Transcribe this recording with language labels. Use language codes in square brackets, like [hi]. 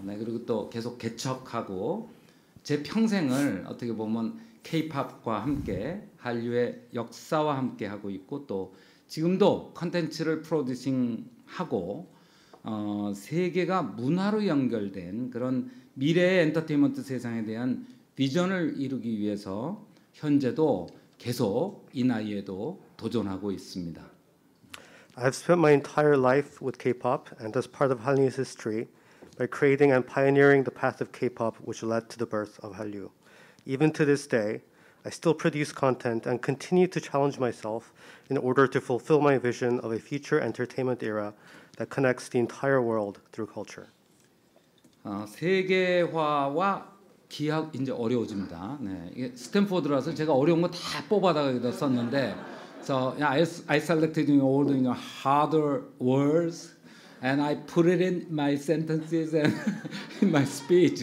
[ko] 네, 그리고 또 계속 개척하고 제 평생을 어떻게 보면 K-POP과 함께 한류의 역사와 함께 하고 있고 또 지금도 컨텐츠를 프로듀싱하고 세계가 문화로 연결된 그런 미래의 엔터테인먼트 세상에 대한 비전을 이루기 위해서 현재도 계속 이 나이에도 도전하고 있습니다. [en] I've spent my entire life with K-pop and as part of Hallyu's history by creating and pioneering the path of K-pop which led to the birth of Hallyu. Even to this day, I still produce content and continue to challenge myself in order to fulfill my vision of a future entertainment era that connects the entire world through culture. [ko] 세계화와 기학 이제 어려워집니다. 네, 이게 스탠포드라서 제가 어려운 거 다 뽑아다가 썼는데, [en] so I selected all the harder words and I put it in my sentences and in my speech.